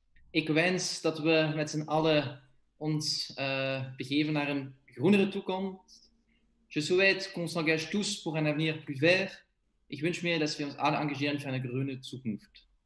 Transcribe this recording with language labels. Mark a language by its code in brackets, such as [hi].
[nl] Ik wens dat we met z'n allen ons begeven naar een groenere toekomst. [fr] Je souhaite qu'on s'engage tous pour un avenir plus vert. [de] Ich wünsche mir, dass wir uns alle engagieren für eine grüne Zukunft.